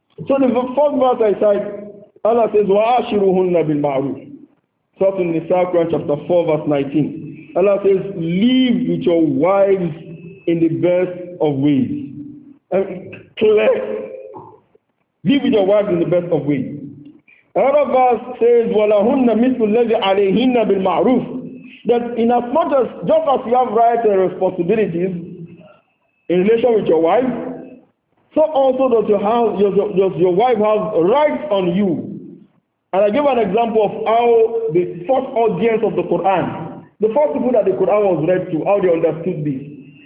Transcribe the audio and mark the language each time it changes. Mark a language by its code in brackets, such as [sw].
[en] So the first verse I said, Allah says, [ar] وَآشِرُهُنَّ بِالْمَعْرُوفِ. [en] Surah An-Nisa, Quran chapter 4, verse 19. Allah says, live with your wives in the best of ways. And clear. Live with your wives in the best of ways. Another verse says, [ar] وَلَهُنَّ مِثْلُ الَّذِي عَلَيْهِنَّ بِالْمَعْرُوفِ. [en] That in as much as, just as you have rights and responsibilities in relation with your wife, so also does your house, does your wife have rights on you. And I give an example of how the first audience of the Quran, the first people that the Quran was read to, how they understood this.